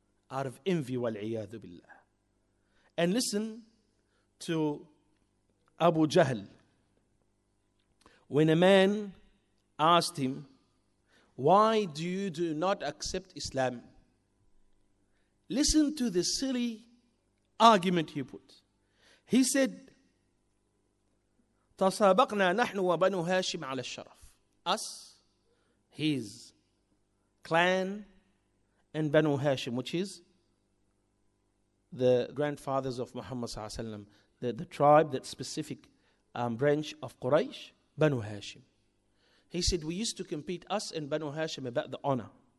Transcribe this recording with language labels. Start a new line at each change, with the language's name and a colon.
English: Out of envy,
Arabic: وَالْعِيَاذُ بِاللَّهِ.
English: And listen to Abu Jahl. When a man asked him, why do you do not accept Islam? Listen to the silly argument he put. He said,
Arabic: تَصَابَقْنَا نَحْنُ وَبَنُ هَاشِمْ عَلَى الشَّرَفِ.
English: Us, his clan, and Banu Hashim, which is the grandfathers of Muhammad sallallahu alaihi wasallam, the tribe, that specific branch of Quraysh, Banu Hashim. He said, we used to compete, us and Banu Hashim, about the honor.